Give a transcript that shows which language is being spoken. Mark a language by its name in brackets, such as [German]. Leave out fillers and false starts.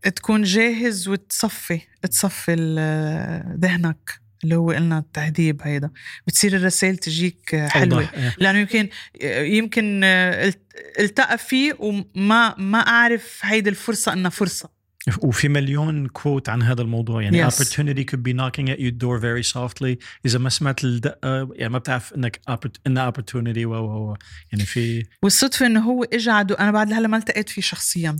[Arabic] تكون جاهز وتصفي، تصفي ذهنك اللي هو قلنا التهذيب، هيدا بتصير الرسائل تجيك حلوة. لأنه يمكن التقى فيه وما أعرف هيدي الفرصة أنها فرصة. وفي مليون كوت عن هذا الموضوع، يعني yes. [English] opportunity could be knocking at your door very softly، إذا ما سمعت الدقة يعني ما بتعرف إنك إنها opportunity. [Arabic] وهو يعني في والصدفة إنه هو إجعد، وأنا بعد لهلا ما التقيت فيه شخصيا.